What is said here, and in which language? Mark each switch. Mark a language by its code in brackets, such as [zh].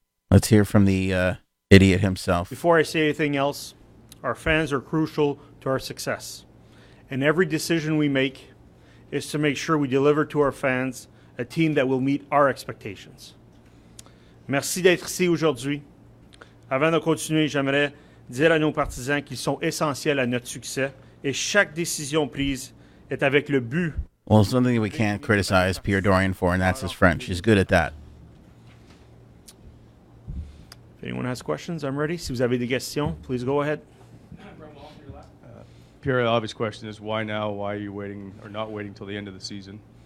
[en] Let's hear from the idiot himself. Before I say anything else, our fans are crucial to our success. And every decision we make is to make sure we deliver to our fans a team that will meet our expectations. [fr] Merci d'être ici aujourd'hui. Avant de continuer, j'aimerais dire à nos partisans qu'ils sont essentiels à notre succès et chaque décision prise est avec le but. [en] Well, something we can't criticize Pierre Dorion for, and that's his French. He's good at that. If anyone has questions, I'm ready. [fr] Si vous avez des questions, [en] please go ahead. [fr] Pierre, the obvious question is why now? Why are you waiting or not waiting till the end of the season?